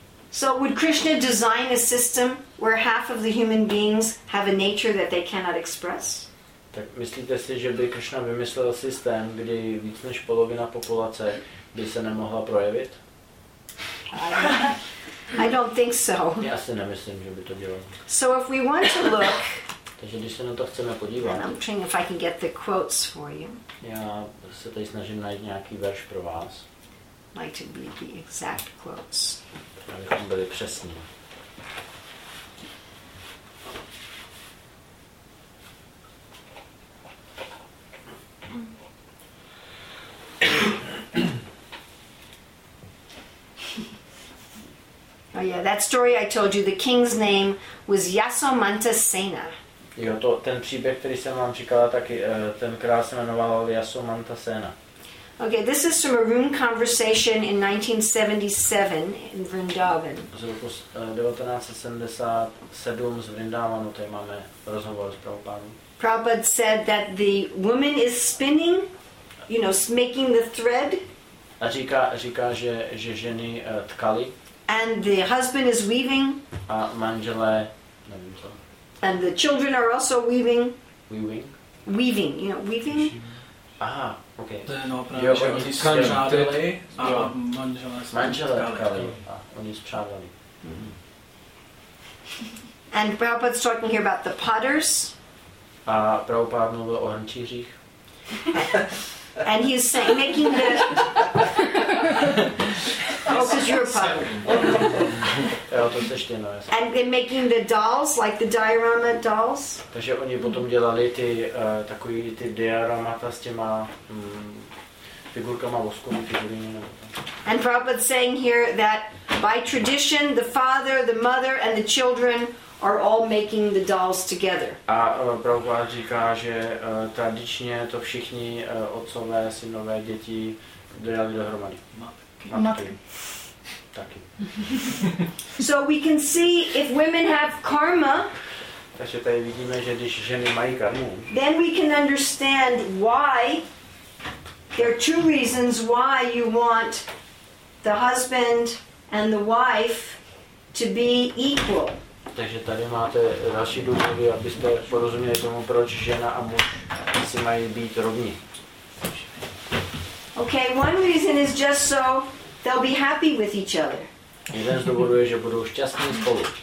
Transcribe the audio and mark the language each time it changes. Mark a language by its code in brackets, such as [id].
[en] So would Krishna design a system where half of the human beings have a nature that they cannot express? [cs] Tak myslíte si, že by Krishna vymyslel systém, kdy víc než polovina populace by se nemohla projevit? [en] I don't think so. [cs] Já si nemyslím, že by to dělal. [en] So if we want to look. [cs] Takže když se na to chceme podívat. [en] I'm trying if I can get the quotes for you. [cs] Já se tady snažím najít nějaký verš pro vás. [en] Might be the exact quotes. [cs] Abychom byli přesní. [en] Oh yeah, that story I told you, the king's name was Yasomanta Sena. [cs] Jo, to ten příběh, který jsem vám říkala, taky ten král se jmenoval Yasomanta Sena. [en] Okay, this is from a room conversation in 1977 in Vrindavan. [cs] Z roku 1977 z Vrindavanu, tady máme rozhovor s Prabhupádou. [en] Prabhupada said that the woman is spinning, you know, making the thread. [cs] A říká, že ženy tkali. [en] And the husband is weaving. [cs] A manželé, nevím co. [en] And the children are also weaving. Weaving? Weaving, you know, weaving. Aha, okay. [cs] To je no právě, že oni spřádali a manželé spřádali. Manželé tkali a oni spřádali. [en] And Prabhupada's talking here about the potters. [cs] A Prabhupada mluvil o hrnčířích. [en] And he's saying, making the... Oh, because you're a potter. And they're making the dolls, like the diorama dolls. [cs] Takže oni potom dělali ty takový ty dioramata s těma figurkama voskovými figuríny. [en] And Prabhupada's saying here that by tradition, the father, the mother, and the children are all making the dolls together. [cs] A Prabhupada říká, že tradičně to všichni otcové, synové, děti dělali dohromady. Matky. [en] So we can see if women have karma. [cs] Takže tady vidíme, že když ženy mají karmu. [en] Then we can understand why there are two reasons why you want the husband and the wife to be equal. [cs] Takže tady máte další důvody, abyste porozuměli tomu, proč žena a muž si mají být rovni. [en] Okay, one reason is just so they'll be happy with each other. [cs] Jeden z důvodů je, že budou šťastní spolu.